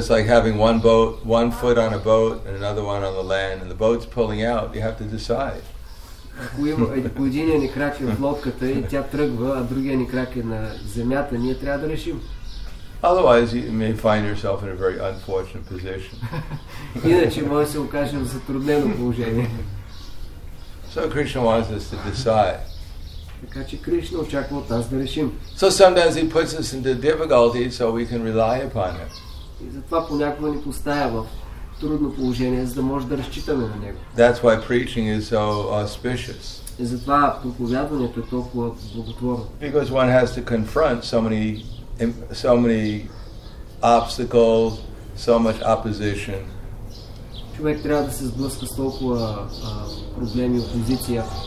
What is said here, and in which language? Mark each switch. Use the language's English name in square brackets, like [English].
[English] Just like having one boat, one foot on a boat and another one on the land and the boat's pulling out, you have to decide. [Bulgarian] Ако единия ни крак е в лодката и тя тръгва, а другия ни крак е на земята, ние трябва да решим. [English] Otherwise, you may find yourself in a very unfortunate position. [Bulgarian] Иначе може да се окажем в затруднено положение. [English] So Krishna wants us to decide. [Bulgarian] Така че Кришна очаква от нас да решим. [English] So sometimes he puts us into difficulty so we can rely upon him. [Bulgarian] И затова понякога ни поставя в трудно положение, за да може да разчитаме на него. [English] That's why preaching is so auspicious. [Bulgarian] И затова проповядването е толкова благотворно. [English] Because one has to confront so many obstacles, so much opposition. [Bulgarian] Човек трябва да се сблъска с толкова проблеми, опозиция.